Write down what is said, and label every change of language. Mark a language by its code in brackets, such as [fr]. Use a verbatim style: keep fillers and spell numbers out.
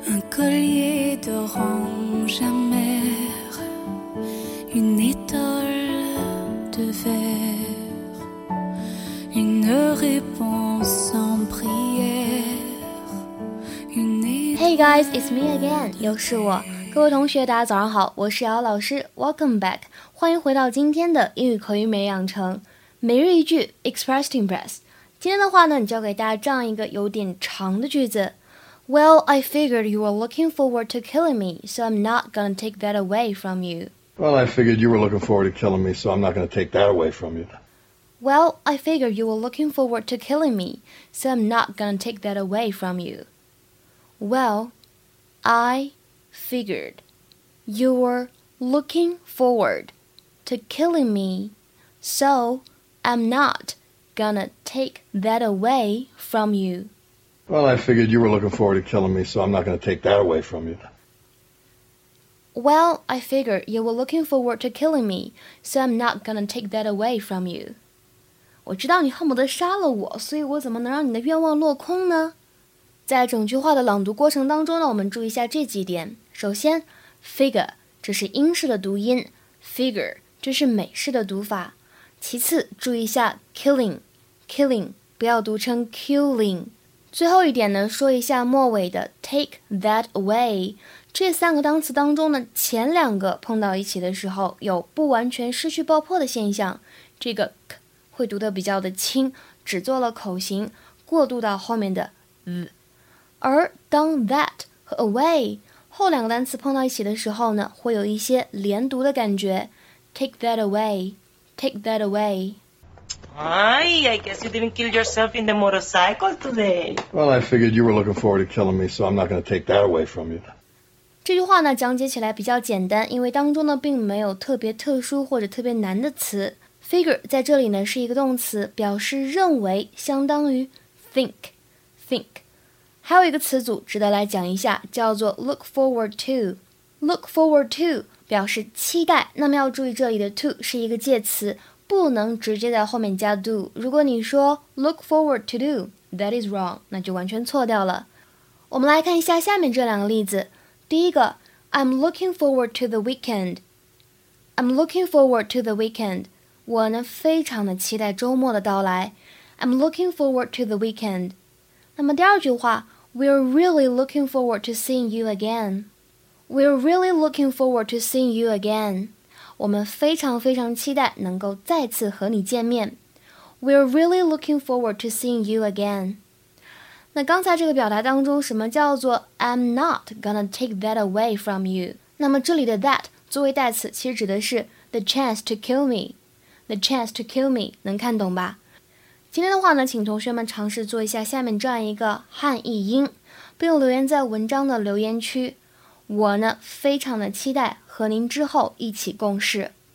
[en] collier d'orange amer, une étole de verre, une réponse en prière, une étole. Hey guys, it's me again. [zh] 又是我。各位同学，大家早上好，我是姚老师 ， [en] Welcome back， [zh] 欢迎回到今天的英语口语每日养成，每日一句 ， [en] Express to Impress。 [zh] 今天的话呢，你教给大家这样一个有点长的句子。 [en] Well, I figured you were looking forward to killing me, so I'm not gonna take that away from you. Well, I figured you were looking forward to killing me, so I'm not gonna take that away from you. Well, I figured you were looking forward to killing me, so I'm not gonna take that away from you. Well, I. Figured you were looking forward to killing me, so I'm not gonna take that away from you. Well, I figured you were looking forward to killing me, so I'm not gonna take that away from you. Well, I figured you were looking forward to killing me, so I'm not gonna take that away from you. [zh] 我知道你恨不得杀了我，所以我怎么能让你的愿望落空呢？在整句话的朗读过程当中呢，我们注意一下这几点。首先 figure 这是英式的读音， figure 这是美式的读法。其次注意一下 killing killing 不要读成 killing。最后一点呢，说一下末尾的 take that away。这三个单词当中呢，前两个碰到一起的时候有不完全失去爆破的现象，这个 k 会读得比较的轻，只做了口型过渡到后面的 v。而当 that 和 away 后两个单词碰到一起的时候呢，会有一些连读的感觉。 [en] Take that away, take that away. Ay, I guess you didn't kill yourself in the motorcycle today. Well, I figured you were looking forward to killing me, so I'm not going to take that away from you. [zh] 这句话呢，讲解起来比较简单，因为当中呢并没有特别特殊或者特别难的词。 Figure 在这里呢是一个动词，表示认为，相当于 think, think. 还有一个词组值得来讲一下，叫做 look forward to。 look forward to 表示期待，那么要注意这里的 to 是一个介词，不能直接在后面加 do。如果你说 look forward to do, [en] that is wrong, [zh] 那就完全错掉了。我们来看一下下面这两个例子。第一个 [en] I'm looking forward to the weekend. I'm looking forward to the weekend. [zh] 我呢非常的期待周末的到来。 [en] I'm looking forward to the weekend. [zh] 那么第二句话 [en] We're really looking forward to seeing you again. We're really looking forward to seeing you again. [zh] 我们非常非常期待能够再次和你见面。 [en] We're really looking forward to seeing you again. [zh] 那刚才这个表达当中，什么叫做 [en] I'm not gonna take that away from you? [zh] 那么这里的 that 作为代词，其实指的是 [en] the chance to kill me. The chance to kill me. [zh] 能看懂吧？今天的话呢，请同学们尝试做一下下面这样一个汉译音，并留言在文章的留言区。我呢，非常的期待和您之后一起共事。